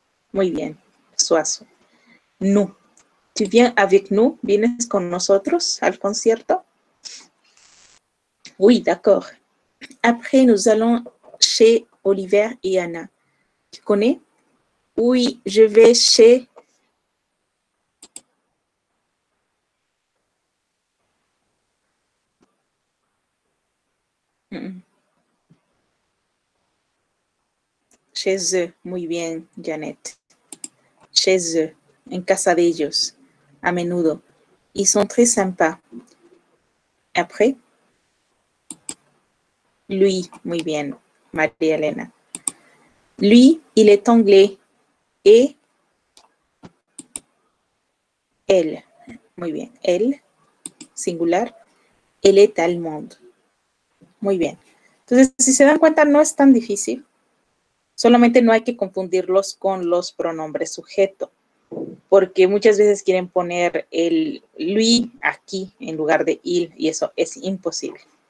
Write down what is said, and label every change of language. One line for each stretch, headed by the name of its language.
Spanish: Muy bien.
French: Suazo. No. ¿Tu viens avec nous?
Spanish: ¿Vienes con nosotros al concierto?
French: Oui, d'accord. Après, nous allons chez Oliver et Anna. ¿Tu connais? Oui, je vais chez... Chez eux.
Spanish: Muy bien,
French: Janet. Chez eux,
Spanish: en casa de ellos, a menudo.
French: Ils sont très sympas. Après, lui,
Spanish: muy bien,
French: María Elena. Lui, il est anglais. Et elle,
Spanish: muy bien,
French: elle, singular, elle est allemande.
Spanish: Muy bien. Entonces, si se dan cuenta, no es tan difícil. Solamente no hay que confundirlos con los pronombres sujeto, porque muchas veces quieren poner el lui aquí en lugar de il, y eso es imposible.